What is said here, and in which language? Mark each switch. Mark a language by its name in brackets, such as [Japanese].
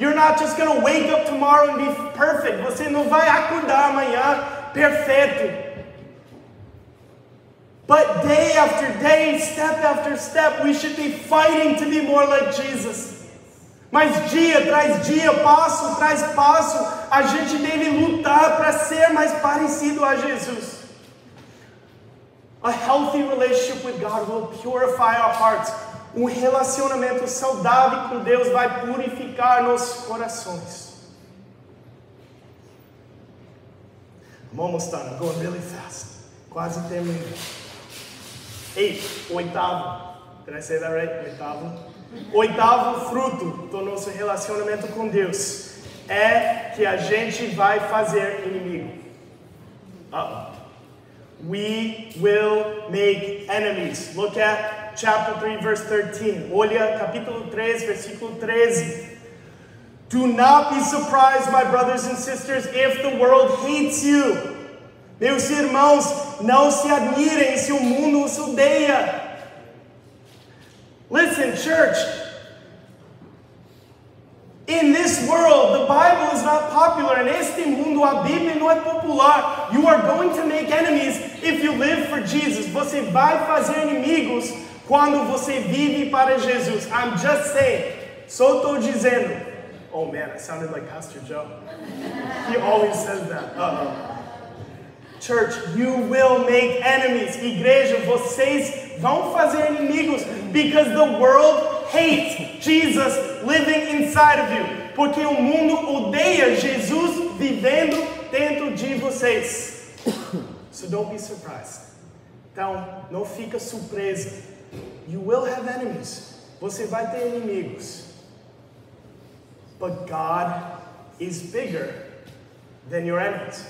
[English] You're not just going to wake up tomorrow and be perfect. [Portuguese] Você não vai acordar amanhã perfeito. [English] But day after day, step after step, we should be fighting to be more like Jesus. [Portuguese] Mas dia traz dia, passo traz passo, a gente deve lutar para ser mais parecido a Jesus. [English] A healthy relationship with God will purify our hearts. [Portuguese] Um relacionamento saudável com Deus vai purificar nossos corações. [English] I'm almost done. I'm going really fast. [Portuguese] Quase terminando. Oitavo. [English] Did I say that right? Oitavo. [Portuguese] Oitavo fruto do nosso relacionamento com Deus é que a gente vai fazer inimigo. [English] We will make enemies. Look at chapter 3, verse 13. [Portuguese] Olha, capítulo 3, versículo 13. [English] Do not be surprised, my brothers and sisters, if the world hates you. [Portuguese] Meus irmãos, não se admirem se o mundo os odeia. [English] Listen, church. In this world, the Bible is not popular. [Portuguese] In este mundo, a Bíblia não é popular. [English] You are going to make enemies if you live for Jesus. [Portuguese] Você vai fazer inimigos quando você vive para Jesus. [English] I'm just saying. [Portuguese] Só estou dizendo. [English] Oh man, I sounded like Pastor Joe. He always says that. Church, you will make enemies. [Portuguese] Igreja, vocês vão fazer inimigos. [English] Because the world hates Jesus living inside of you. [Portuguese] Porque o mundo odeia Jesus vivendo dentro de vocês. [English] So don't be surprised. [Portuguese] Então, não fica surpresa. [English] You will have enemies. [Portuguese] Você vai ter inimigos. [English] But God is bigger than your enemies.